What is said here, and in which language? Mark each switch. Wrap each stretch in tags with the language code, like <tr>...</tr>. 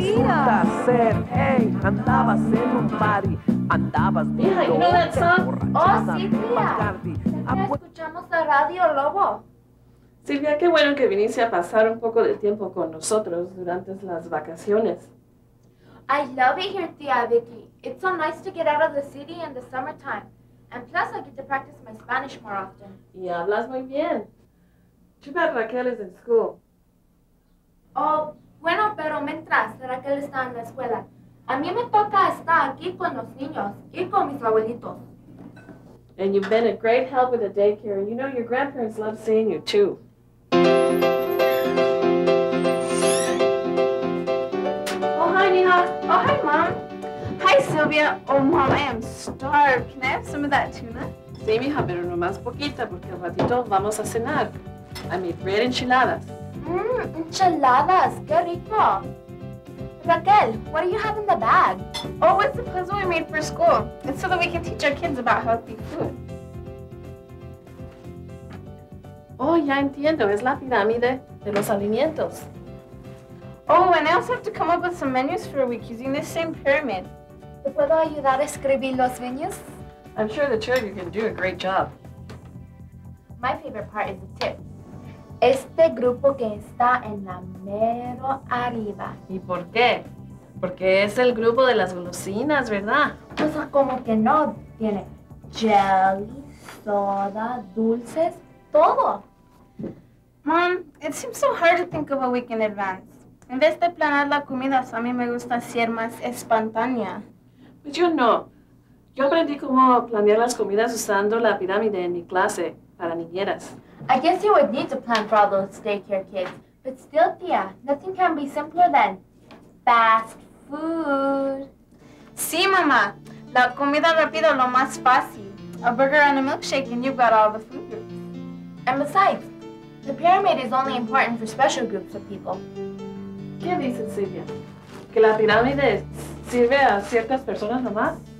<es>Resulta ser, hey, andabas en un party, andabas bien.</es> <en>You know that song? Oh, Silvia.</en> <es>Escuchamos la radio,</es> <en>Lobo.</en> <es>Silvia, qué bueno que viniste a pasar un poco de tiempo con nosotros durante las vacaciones.</es> <en>I love it here, Tia Vicky. It's so nice to get out of the city in the summertime. And plus, I get to practice my Spanish more often.</en> <es>Y hablas muy bien.</es> <en>Too bad Raquel is in school.</en> <es>Oh, bueno, pero mientras Raquel está en la escuela, a mí me toca estar aquí con los niños y con mis abuelitos.</es> <en>And you've been a great help with the daycare. You know, your grandparents love seeing you, too. Oh, hi, Mom. Hi, Sylvia. Oh, Mom, I am starved. Can I have some of that tuna?</en> <es>Sí, mija, pero no más poquita, porque al ratito vamos a cenar.</es> <en>I made red enchiladas.</en> <es>Enchiladas. Qué rico.</es> <en>Raquel, what do you have in the bag? Oh, it's the puzzle we made for school. It's so that we can teach our kids about healthy food.</en> <es>Oh, ya entiendo. Es la pirámide de los alimentos.</es> <en>Oh, and I also have to come up with some menus for a week using this same pyramid.</en> <es>¿Te puedo ayudar a escribir los menus?</es> <en>I'm sure the two of you can do a great job. My favorite part is the tip.</en> <es>Este grupo que está en la mero arriba. ¿Y por qué? Porque es el grupo de las golosinas, ¿verdad? Pues como que no. Tiene jelly, soda, dulces, todo.</es> <en>Mom, it seems so hard to think of a week in advance.</en> <es>En vez de planear la comida, a mí me gusta ser más espontánea. Pues yo no. Yo aprendí cómo planear las comidas usando la pirámide en mi clase para niñeras.</es> <en>I guess you would need to plan for all those daycare kids. But still, tía, nothing can be simpler than fast food.</en> <es>Sí, mamá. La comida rápida lo más fácil.</es> <en>A burger and a milkshake and you've got all the food groups. And besides, the pyramid is only important for special groups of people.</en> <es>¿Qué dices, Silvia? ¿Que la pirámide sirve a ciertas personas nomás?</es>